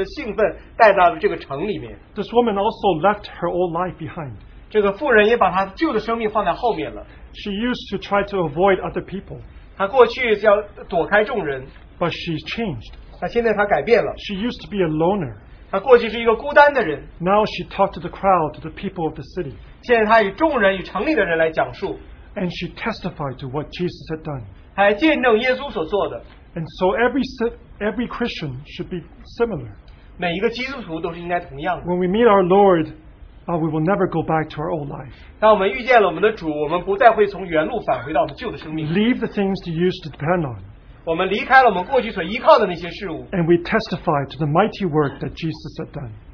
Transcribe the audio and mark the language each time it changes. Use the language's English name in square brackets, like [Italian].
[Chinese] 她也把这个新的生命和这个新的生命的兴奋带到了这个城里面。 [English] This woman also left her old life behind. [Chinese] 这个妇人也把她旧的生命放在后面了。 [English] She used to try to avoid other people. [Chinese] 她过去要躲开众人。 [English] But she's changed. [Chinese] 那现在她改变了。 [English] She used to be a loner. [Chinese] 她过去是一个孤单的人。 [English] Now she talked to the crowd, to the people of the city. [Chinese] 现在她与众人,与城里的人来讲述。 [English] And she testified to what Jesus had done. [Chinese] 还见证耶稣所做的。 [English] And so every Christian should be similar. [Chinese] 每一个基督徒都是应该同样的。 [English] When we meet our Lord, we will never go back to our old life. [Chinese] 当我们遇见了我们的主，我们不再会从原路返回到我们旧的生命。 [English] Leave the things you used to depend on. [Chinese] 我们离开了我们过去所依靠的那些事物。 [English] And we testify to the mighty work that Jesus had done.